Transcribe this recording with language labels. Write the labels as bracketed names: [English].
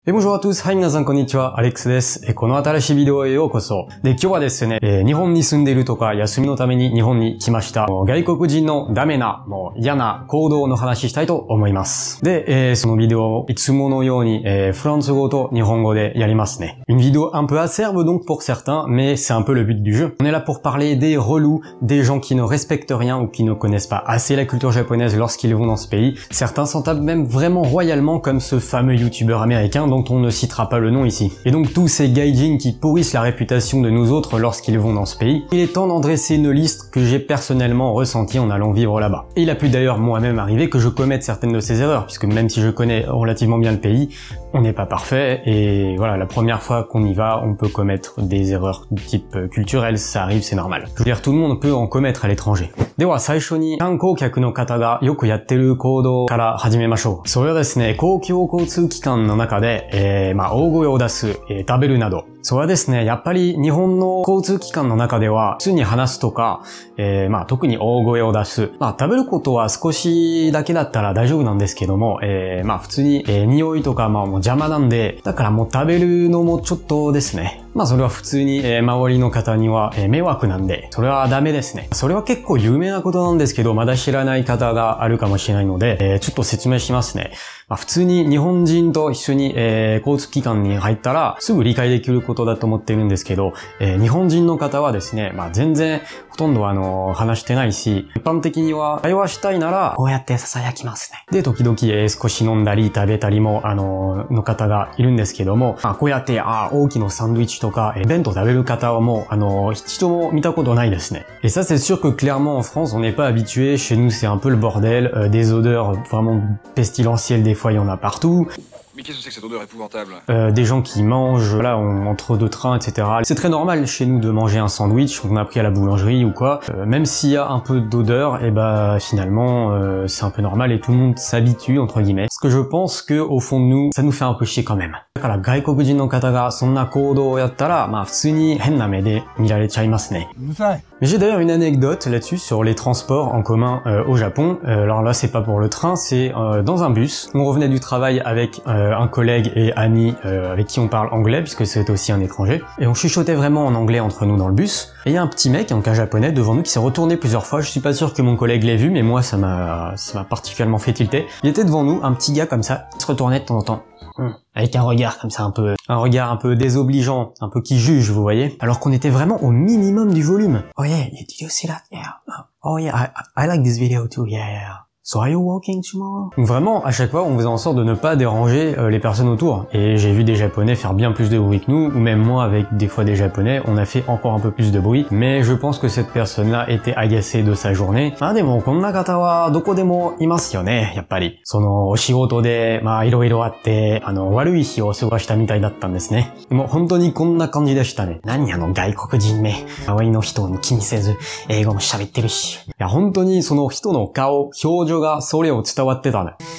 [Japanese] え、もしもあとです。はい、皆さん、こんにちは。アレックスです。この新しいビデオへようこそ。で、今日はですね、日本に住んでいるとか、休みのために日本に来ました。外国人のダメな、もう嫌な行動の話したいと思います。で、そのビデオをいつものように、フランス語と日本語でやりますね。 [French] Une vidéo un peu acerbe donc pour certains, mais c'est un peu le but du jeu. On est là pour parler des relous, des gens qui ne respectent rien ou qui ne connaissent pas assez la culture japonaise lorsqu'ils vont dans ce pays. Certains s'en tapent même vraiment royalement comme ce fameux youtubeur américain dont on ne citera pas le nom ici. Et donc tous ces gaijins qui pourrissent la réputation de nous autres lorsqu'ils vont dans ce pays, il est temps d'en dresser une liste que j'ai personnellement ressentie en allant vivre là-bas. Et il a pu d'ailleurs moi-même arriver que je commette certaines de ces erreurs, puisque même si je connais relativement bien le pays, on n'est pas parfait, et voilà, la première fois qu'on y va, on peut commettre des erreurs de type culturel, ça arrive, c'est normal. Je veux dire, tout le monde peut en commettre à l'étranger. [Japanese] では最初に観光客の方がよくやってる行動から始めましょう。それはですね、公共交通機関の中で、まあ、大声を出す、食べるなど。それはですね、やっぱり日本の交通機関の中では、普通に話すとか、まあ、特に大声を出す。まあ、食べることは少しだけだったら大丈夫なんですけども、まあ、普通に、匂いとか、まあ、もう邪魔なんで、だからもう食べるのもちょっとですね。まあ、それは普通に、周りの方には、迷惑なんで、それはダメですね。それは結構有名なことなんですけど、まだ知らない方があるかもしれないので、ちょっと説明しますね。まあ、普通に日本人と一緒に、交通機関に入ったら、すぐ理解できることだと思っているんですけど、日本人の方はですね、まあ、全然、ほとんど話してないし、一般的には、会話したいなら、こうやって囁きますね。で、時々、少し飲んだり、食べたりも、の方がいるんですけども、まあ、こうやって、大きなサンドイッチとか、弁当食べる方はもう、一度も見たことないですね。 [French] Et ça, c'est sûr que clairement, en France, on n'est pas habitué. Chez nous, c'est un peu le bordel, des odeurs vraiment pestilentielles des fois, il y en a partout. Mais qu'est-ce que c'est que cette odeur épouvantable? Des gens qui mangent, là, on entre deux trains, etc. C'est très normal chez nous de manger un sandwich qu'on a pris à la boulangerie ou quoi. Même s'il y a un peu d'odeur, et bah, finalement, c'est un peu normal et tout le monde s'habitue, entre guillemets. Ce que je pense que, au fond de nous, ça nous fait un peu chier quand même. [Japanese] だから外国人の方がそんな行動をやったら、まあ普通に変な目で見られちゃいますね。うるさい。 [French] Mais j'ai d'ailleurs une anecdote là-dessus sur les transports en commun au Japon. Alors là, c'est pas pour le train, c'est dans un bus. On revenait du travail avec un collègue et ami avec qui on parle anglais, puisque c'est aussi un étranger. Et on chuchotait vraiment en anglais entre nous dans le bus. Et il y a un petit mec, en cas japonais, devant nous qui s'est retourné plusieurs fois. Je suis pas sûr que mon collègue l'ait vu, mais moi, ça m'a particulièrement fait tilter. Il était devant nous, un petit gars comme ça, il se retournait de temps en temps. Avec un regard comme ça, un regard un peu désobligeant, un peu qui juge, vous voyez. Alors qu'on était vraiment au minimum du volume. [English] Oh yeah, did you see that? Yeah. Oh yeah, I like this video too, yeah. So are you walking tomorrow? [French] Vraiment, à chaque fois, on faisait en sorte de ne pas déranger les personnes autour. Et j'ai vu des Japonais faire bien plus de bruit que nous, ou même moi, avec des fois des Japonais, on a fait encore un peu plus de bruit. Mais je pense que cette personne-là était agacée de sa journée. [Japanese] Ah, でもこんな方はどこでもいますよね、やっぱり。そのお仕事で、まあ、いろいろあって、悪い日を過ごしたみたいだったんですね。でも本当にこんな感じでしたね。何外国人め。周りの人に気にせず、英語も喋ってるし。いや、本当にその人の顔、表情、がそれを伝わってたね。